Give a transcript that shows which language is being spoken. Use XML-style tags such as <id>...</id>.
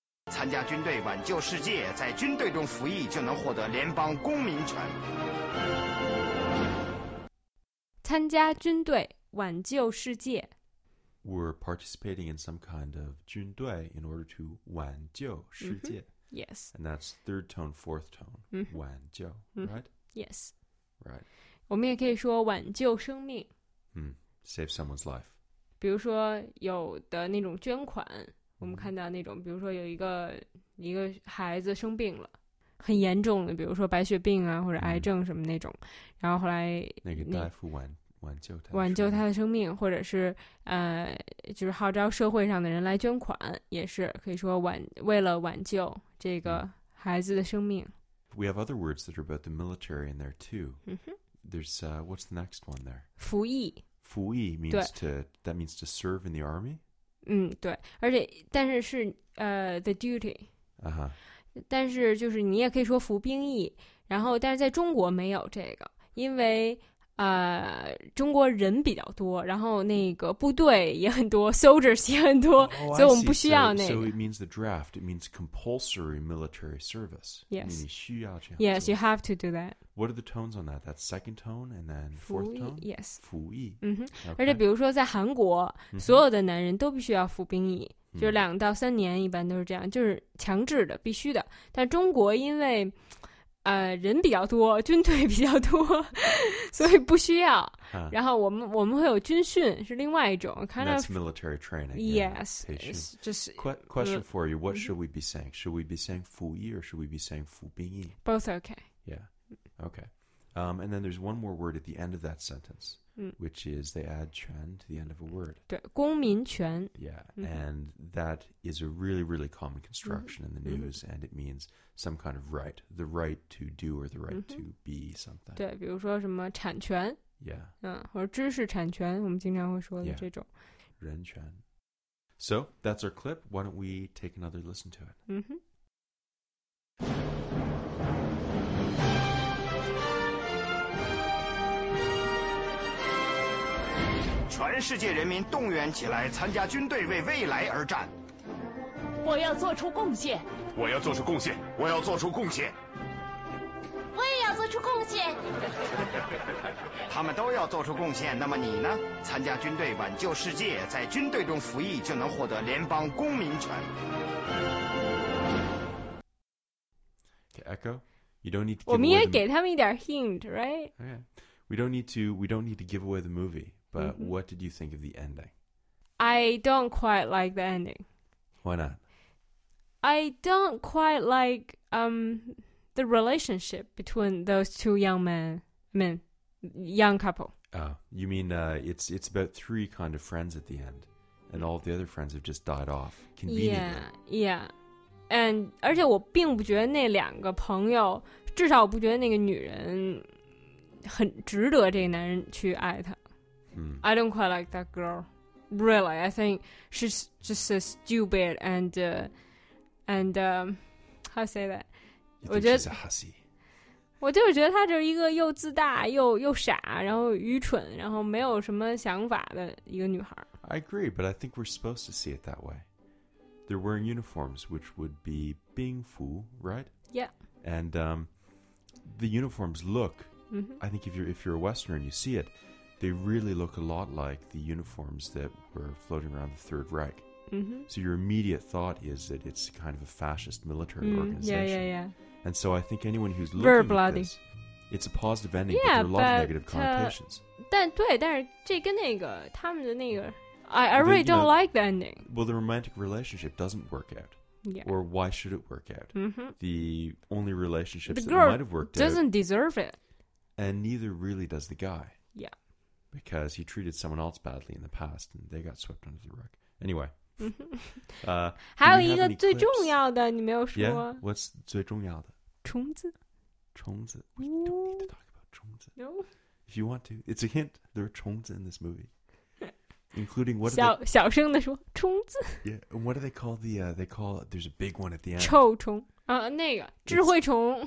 <zh>参加军队挽救世界，在军队中服役就能获得联邦公民权。参加军队挽救世界。</zh> <en>We're participating in some kind of 军队 in order to</en> <zh>挽救世界。</zh> <en>Yes. And that's third tone, fourth tone.</en> <zh>挽救 right?</zh> <en>Yes. Right.</en> <zh>我们也可以说挽救生命。</zh> <en>Save someone's life.</en> <zh>比如说有的那种捐款、我们看到那种比如说有一个孩子生病了很严重的比如说白血病啊或者癌症什么那种、然后后来那个大夫挽救他挽救他的生命或者是就是号召社会上的人来捐款也是可以说为了挽救这个孩子的生命</zh> <en>We have other words that are about the military in there too There's what's the next one there?</en> <zh>服役</zh> <en>服役 means to That means to serve in the army?</en> <zh>对而且但是是</zh> <en>the duty、</en> <zh>但是就是你也可以说服兵役然后但是在中国没有这个因为中国人比较多，然后那个部队也很多 ，soldiers 也很多， oh, 所以我们不需要那个。</zh> <en>So it means the draft. It means compulsory military service. Yes.</en> <zh>你需要这样。</zh> <en>Yes, you have to do that. What are the tones on that? That's second tone and then fourth tone. Yes.</en> <zh>服役。嗯哼。而且比如说在韩国， mm-hmm. 所有的男人都必须要服兵役，就是两到三年，一般都是这样，就是强制的，必须的。但中国因为人比较多，军队比较多，所以不需要。 Huh. 然后我们会有军训，是另外一种 kind</zh> <en>of military training. Yes, yeah, just question for you. What should we be saying? Should we be saying 服役 or should we be saying 服兵役? Both okay. Yeah. Okay. And then there's one more word at the end of that sentence, which is they add 权 to the end of a word.</en> <zh>对，公民权。</zh> <en>Yeah, and that is a really, really common construction in the news, and it means some kind of right, the right to do or the right to be something.</en> <zh>对，比如说什么产权。</zh> <en>Yeah.</en> <zh>或者知识产权，我们经常会说的这种。</zh> <en>人权。So, that's our clip. Why don't we take another listen to it?</en> <zh>全世界人民动员起来，参加军队，为未来而战。我要做出贡献。我要做出贡献。我要做出贡献。我也要做出贡献。他们都要做出贡献，那么你呢？参加军队挽救世界，在军队中服役就能获得联邦公民权。</zh> <en>To echo, you don't need to.</en> <zh>我们也给他们一点</zh> <en>hint, right? Okay, we don't need to give away the movie. But what did you think of the ending? I don't quite like the ending. Why not? I don't quite like the relationship between those two young men. I mean, young couple. Oh, you mean it's about three kind of friends at the end. And all the other friends have just died off conveniently. Yeah, yeah.</en> <zh>And 而且我并不觉得那两个朋友，至少我不觉得那个女人很值得这个男人去爱她。</zh> <en>I don't quite like that girl, really. I think she's just stupid how to say that? You think she's a hussy?</en> <zh>我就是觉得她就是一个又自大又傻，然后愚蠢，然后没有什么想法的一个女孩。</zh> <en>I agree, but I think we're supposed to see it that way. They're wearing uniforms, which would be 兵服, right? Yeah. And the uniforms look, I think if you're a Westerner and you see it,They really look a lot like the uniforms that were floating around the Third Reich. So your immediate thought is that it's kind of a fascist military organization. Yeah, yeah, yeah. And so I think anyone who's looking at this, it's a positive ending, yeah, but there are a lot of negative connotations.</en> <zh>但对，但是这跟那个他们的那个</zh> <en>I really don't like the ending. Well, the romantic relationship doesn't work out. Yeah. Or why should it work out? The only relationship that girl might have worked doesn't out doesn't deserve it. And neither really does the guy. Yeah. Because he treated someone else badly in the past, and they got swept under the rug. Anyway.</en> <zh>还有一个最重要的你没有说。</zh> <en>Yeah, what's</en> <zh>最重要的？虫子。虫子。</zh> <en>We don't need to talk about 虫子。 No. If you want to, it's a hint. There are 虫子 in this movie. Including what</en> <zh>小声的说虫子。</zh> <en>Yeah, and what do they call the, there's a big one at the end.</en> <zh>臭虫。那个智慧虫。</zh>